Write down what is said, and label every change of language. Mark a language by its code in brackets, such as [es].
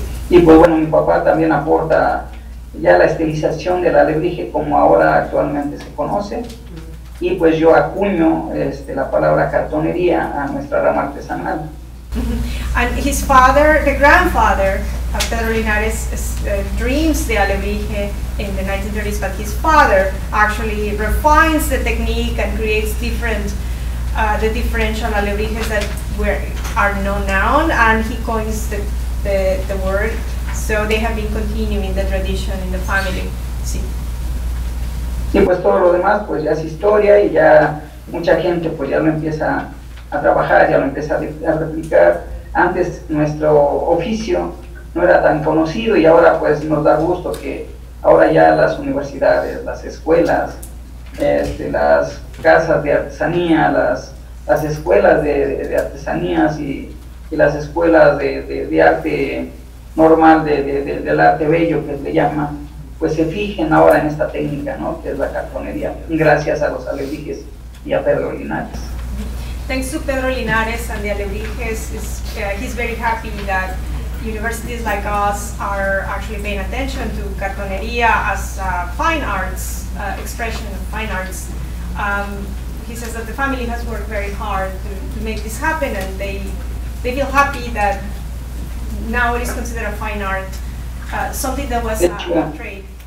[es] Y pues bueno, mi papá también aporta ya la estilización del alebrije como ahora actualmente se conoce, y pues yo acuño la palabra cartonería a nuestra rama artesanal. [en] And his father, the grandfather of Pedro Linares, dreams the alebrije in the 1930s, but his father actually refines the technique and creates the differential alebrijes that are known now, and he coins the word, so they have been continuing the tradition in the family. [es] Sí. Sí, pues todo lo demás pues ya es historia, y ya mucha gente pues ya lo empieza a trabajar, ya lo empieza a replicar. Antes nuestro oficio no era tan conocido, y ahora pues nos da gusto que ahora ya las universidades, las escuelas, las casas de artesanía, las escuelas de artesanías y las escuelas de arte normal, del arte bello que le llama, pues se fijen ahora en esta técnica, ¿no? Que es la cartonería, gracias a los alebrijes y a Pedro Linares. [en] Thanks to Pedro Linares and the alebrijes, he's very happy that universities like us are actually paying attention to cartonería as a fine arts, expression of fine arts. He says that the family has worked very hard to make this happen, and they feel happy that now it is considered a fine art, something that was a trade.